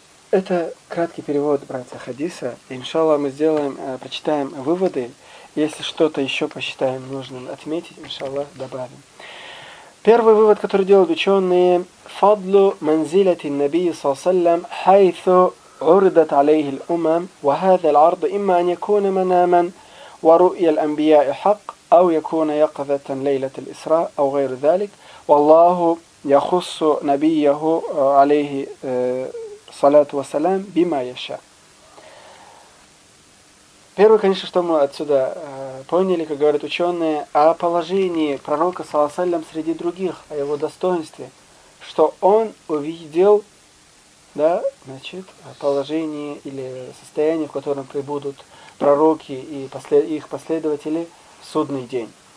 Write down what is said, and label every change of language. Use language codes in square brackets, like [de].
[ru] Это краткий перевод, братья, хадиса. Иншаллах, мы сделаем, прочитаем выводы. Если что-то еще посчитаем нужным отметить, иншаллах, добавим. Первый вывод, который делают ученые, «Фадлу манзилати Набии саллям хайфу». [ar] عرضت عليه الأمم وهذا العرض إما أن يكون مناما ورؤيا الأنبياء حق أو يكون يقظة ليلة الإسراء أو غير ذلك والله يخص نبيه عليه الصلاة والسلام بما يشاء. [ru] Первое, конечно, что мы отсюда поняли, как говорят ученые, о положении пророка саллаллаху алейхи вассалям среди других, о его достоинстве, что он увидел. Да, значит, положение или состояние, в котором прибудут пророки и их последователи в судный день.